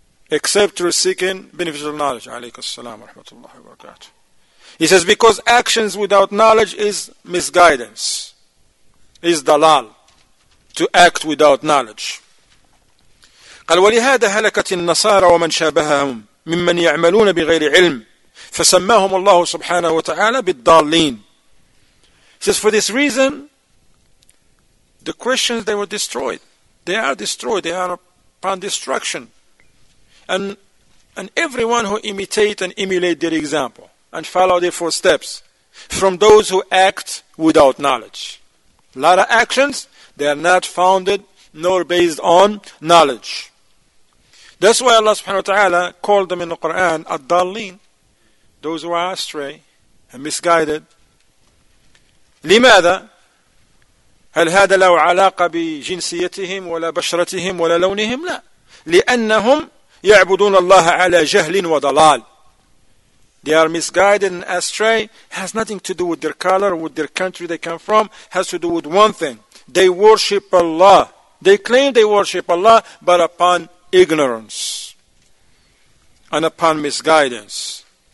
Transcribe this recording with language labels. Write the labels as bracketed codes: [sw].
[en] Except through seeking beneficial knowledge. [ar] Alayka as-salam wa rahmatullahi wa barakatuh. [en] He says, because actions without knowledge is misguidance, is dalal, to act without knowledge. [ar] قال ولهذا هلكت النصارى ومن شابههم ممن يعملون بغير علم فسماهم الله سبحانه وتعالى بالضالين. [en] He says, for this reason, the Christians, they were destroyed. They are destroyed. They are upon destruction. And everyone who imitate and emulate their example and follow their footsteps from those who act without knowledge. A lot of actions, they are not founded nor based on knowledge. That's why Allah subhanahu wa ta'ala called them in the Quran Ad-Dallin, those who are astray and misguided. [ar] لماذا؟ هل هذا له علاقة بجنسيتهم ولا بشرتهم ولا لونهم؟ لا. لأنهم يعبدون الله على جهل وضلال. [en] They are misguided and astray. Has nothing to do with their color, with their country they come from. Has to do with one thing. They worship Allah. They claim they worship Allah, but upon ignorance and upon misguidance.